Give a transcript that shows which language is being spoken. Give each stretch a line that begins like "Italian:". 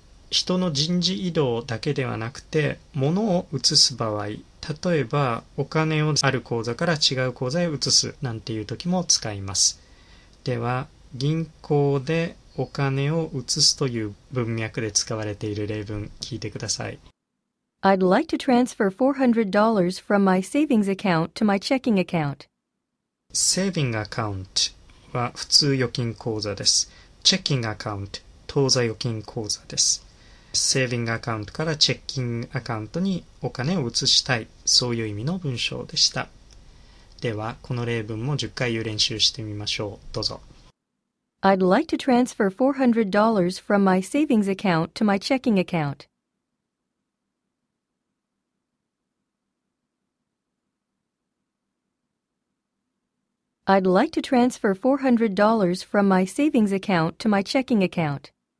Japanese: 人の人事異動だけではなくて、物を移す場合、例えばお金をある口座から違う口座へ移すなんていう時も使います。では銀行でお金を移すという文脈で使われている例文聞いてください。
English: I'd like to transfer $400 from my savings account to my checking account。
Japanese: Saving account は普通預金口座です。 Checking account、 当座預金口座です。セービングアカウントからチェッキングアカウントにお金を移したい、そういう意味の文章でした。ではこの例文も10回言う練習してみましょう。どうぞ。
English: I'd like to transfer $400 from my savings account to my checking account. I'd like to transfer $400 from my savings account to my checking account.